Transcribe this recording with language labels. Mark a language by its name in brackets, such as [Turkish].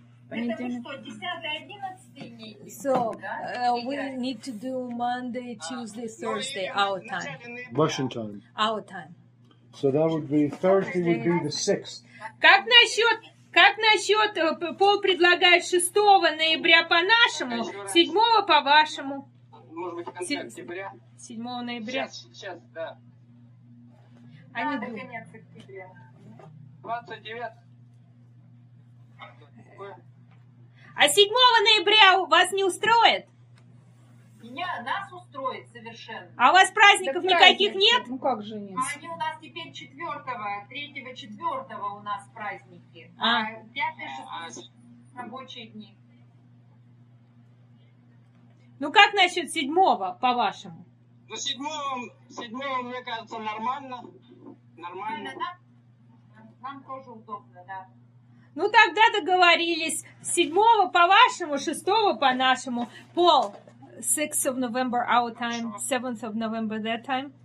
[English] So, we need to do Monday, Tuesday, Thursday, our time. Russian time. Our time. So that would be Thursday would be the 6th. [Russian] Как насчет, Пол предлагает 6 ноября по нашему, 7 по вашему? Может быть, октября? 7 ноября. Сейчас, да. Да, до конец октября. 29. А 7 ноября вас не устроит? Нас устроит совершенно. А у вас праздников никаких нет? Ну как же нет? Они у нас теперь 3-4 у нас праздники. 5-6 рабочие дни. Ну как насчет 7-го, по-вашему? Ну 7-го, мне кажется, нормально. Нормально. Нам Нам тоже удобно, да. Ну, тогда договорились. 7-го по-вашему, 6-го по-нашему. Пол, [English] 6th of November our time, 7th of November their time.